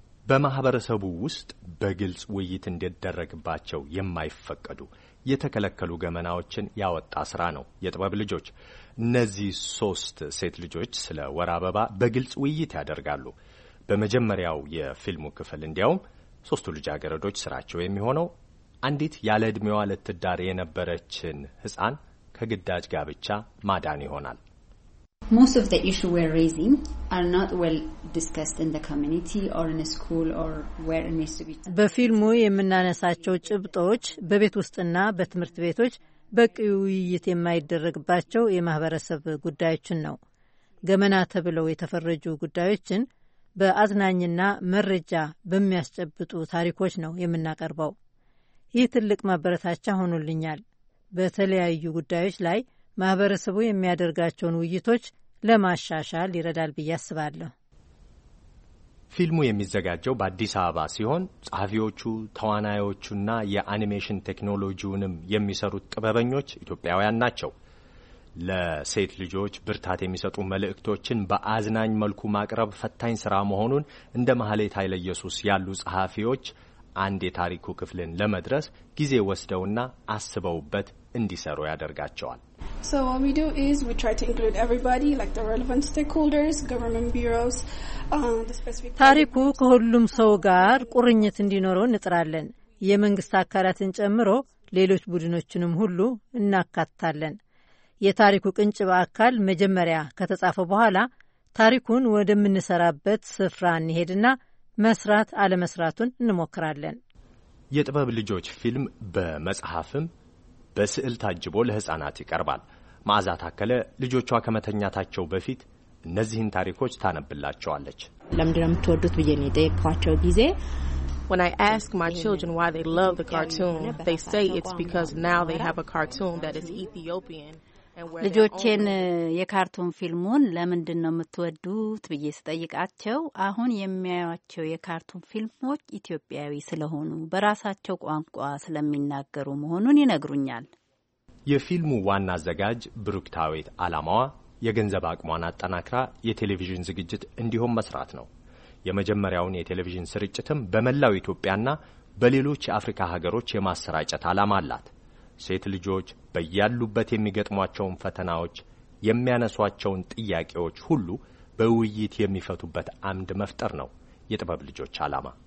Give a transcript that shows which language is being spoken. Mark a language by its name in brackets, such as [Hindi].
[Amharic] በማህበረሰቡ ውስጥ በግልጽ ውይይት እንዲደረግባቸው የማይፈቀዱ የተከለከሉ ገመናዎችን ያወጣ ስራ ነው የጥበብ ልጆች። እነዚህ ሶስት ሴት ልጆች ስለ ወር አበባ በግልጽ ውይይት ያደርጋሉ። በመጀመሪያው የፊልሙ ክፍል እንዲያውም ሶስቱ ልጃገረዶች ስራቸው የሚሆነው አንዲት ያለ እድሜዋ ልትዳር የነበረችን ህፃን ከግዳጅ ጋብቻ ማዳን ይሆናል። [English] Most of the issues we're raising are not well discussed in the community or in a school or where it needs to be. [Amharic] በፊልሙ የምናነሳቸው ጭብጦች በቤት ውስጥና በትምህርት ቤቶች በቂ ውይይት የማይደረግባቸው የማህበረሰብ ጉዳዮችን ነው። ገመና ተብለው የተፈረጁ ጉዳዮችን በአዝናኝና መረጃ በሚያስጨብጡ ታሪኮች ነው የምናቀርበው። ይህ ትልቅ ማበረታቻ ሆኖልኛል። በተለያዩ ጉዳዮች ላይ ማህበረሰቡ የሚያደርጋቸውን ውይይቶች ለማሻሻል ይረዳል ብዬ አስባለሁ። ፊልሙ የሚዘጋጀው በአዲስ አበባ ሲሆን ጸሐፊዎቹ፣ ተዋናዮቹና የአኒሜሽን ቴክኖሎጂውንም የሚሰሩት ጥበበኞች ኢትዮጵያውያን ናቸው። ለሴት ልጆች ብርታት የሚሰጡ መልእክቶችን በአዝናኝ መልኩ ማቅረብ ፈታኝ ስራ መሆኑን እንደ ማህሌት ኃይለ ኢየሱስ ያሉ ጸሐፊዎች አንድ የታሪኩ ክፍልን ለመድረስ ጊዜ ወስደውና አስበውበት እንዲሰሩ ያደርጋቸዋል። [English] So what we do is we try to include everybody, like the relevant stakeholders, government bureaus, the specific [Amharic] ታሪኩ ከሁሉም ሰው ጋር ቁርኝት እንዲኖረው እንጥራለን። የመንግስት አካላትን ጨምሮ ሌሎች ቡድኖችንም ሁሉ እናካትታለን። የታሪኩ ቅንጭብ አካል መጀመሪያ ከተጻፈ በኋላ ታሪኩን ወደምንሰራበት ስፍራ እንሄድና መስራት አለ መስራቱን እንሞክራለን። የጥበብ ልጆች ፊልም በመጽሐፍም በስዕል ታጅቦ ለህፃናት ይቀርባል። ማዓዛ ታከለ ልጆቿ ከመተኛታቸው በፊት እነዚህን ታሪኮች ታነብላቸዋለች። ለምንድን ነው የምትወዱት ብዬ ነው የጠየኳቸው ጊዜ። [English] When I ask my children why they love the cartoon, they say it's because now they have a cartoon that is Ethiopian. [Amharic] ልጆቼን የካርቱን ፊልሙን ለምንድን ነው የምትወዱት ብዬ ስጠይቃቸው አሁን የሚያዩቸው የካርቱን ፊልሞች ኢትዮጵያዊ ስለሆኑ በራሳቸው ቋንቋ ስለሚናገሩ መሆኑን ይነግሩኛል። የፊልሙ ዋና አዘጋጅ ብሩክታዊት አላማዋ የገንዘብ አቅሟን አጠናክራ የቴሌቪዥን ዝግጅት እንዲሆን መስራት ነው። የመጀመሪያውን የቴሌቪዥን ስርጭትም በመላው ኢትዮጵያና በሌሎች የአፍሪካ ሀገሮች የማሰራጨት አላማ አላት። ሴት ልጆች በያሉበት የሚገጥሟቸውን ፈተናዎች፣ የሚያነሷቸውን ጥያቄዎች ሁሉ በውይይት የሚፈቱበት አምድ መፍጠር ነው የጥበብ ልጆች አላማ።